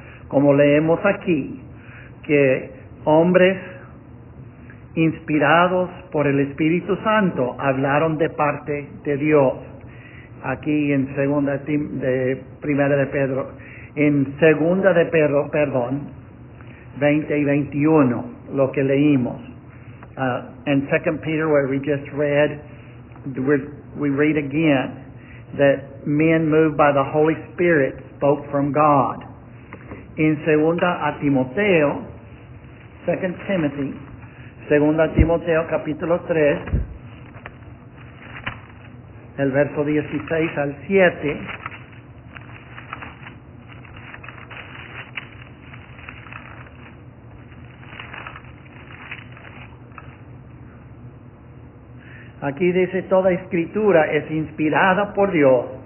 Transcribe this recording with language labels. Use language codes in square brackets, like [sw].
[es] Como leemos aquí, que hombres inspirados por el Espíritu Santo hablaron de parte de Dios. Aquí en segunda de Pedro, 20 y 21, lo que leímos. [en] In 2 Peter, where we just read, we read again that men moved by the Holy Spirit spoke from God. [es] In segunda Timoteo, capítulo 3, el verso 16 al 7, aquí dice, toda escritura es inspirada por Dios